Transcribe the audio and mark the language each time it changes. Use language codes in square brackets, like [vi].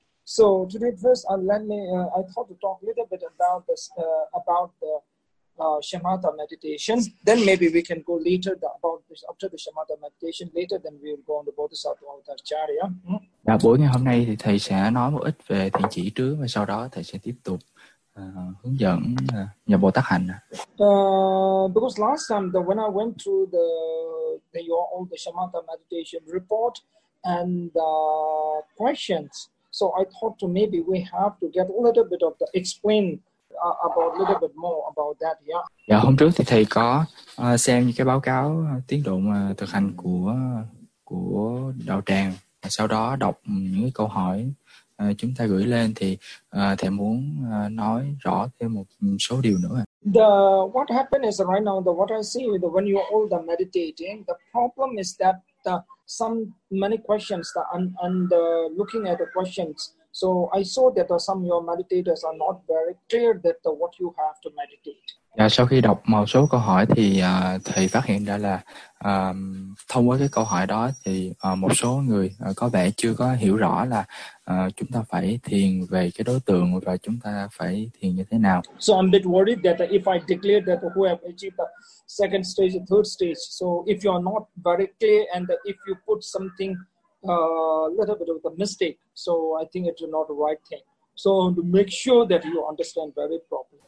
[en] So today first, I thought to talk a little bit about this about the shamatha meditation. Then maybe we can go later about this after the shamatha meditation. Later, then we'll go on the Bodhisattva Avatacharya. [vi] Dạ, buổi ngày hôm nay thì thầy sẽ nói một ít về thiền chỉ trước và sau đó thầy sẽ tiếp tục hướng dẫn nhập Bồ Tát hành. [en] Because last time when I went through all the shamatha meditation report and questions, so I thought to maybe we have to get a little bit of the explain about a little bit more about that. Yeah. [vi] Dạ, hôm trước thì thầy có xem những cái báo cáo tiến độ thực hành của đạo tràng. Sau đó đọc những cái câu hỏi chúng ta gửi lên thì thầy muốn nói rõ thêm một số điều nữa. [en] What happened is right now what I see with when you all the meditating, the problem is that some many questions that looking at the questions, so I saw that some of your meditators are not very clear that what you have to meditate. [vi] Dạ, sau khi đọc một số câu hỏi thì thầy phát hiện ra là thông qua cái câu hỏi đó thì một số người có vẻ chưa có hiểu rõ là chúng ta phải thiền về cái đối tượng và chúng ta phải thiền như thế nào. [en] So I'm a bit worried that if I declare that who have achieved the second stage and third stage, so if you are not very clear and if you put something little bit of the mistake, so I think it's not the right thing. So to make sure that you understand very properly.